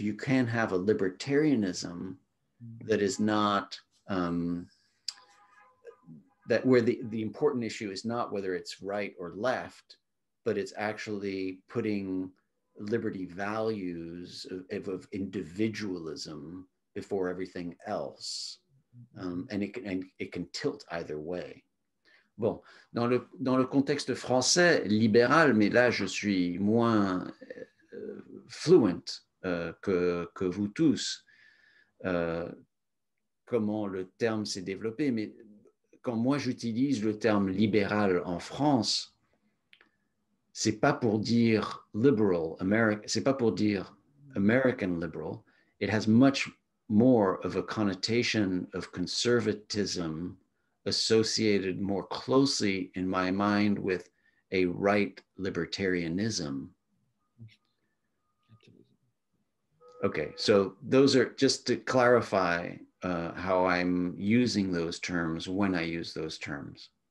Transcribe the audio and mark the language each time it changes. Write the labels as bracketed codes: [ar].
[en] You can have a libertarianism that is not that where the important issue is not whether it's right or left, but it's actually putting liberty values of individualism before everything else. And it can tilt either way. [fr] Bon, dans le contexte français libéral, mais là je suis moins fluent que vous tous, comment le terme s'est développé, mais quand moi j'utilise le terme libéral en France, c'est pas pour dire liberal, c'est pas pour dire [en] American liberal. It has much more of a connotation of conservatism associated more closely in my mind with a right libertarianism. Okay, so those are just to clarify how I'm using those terms when I use those terms.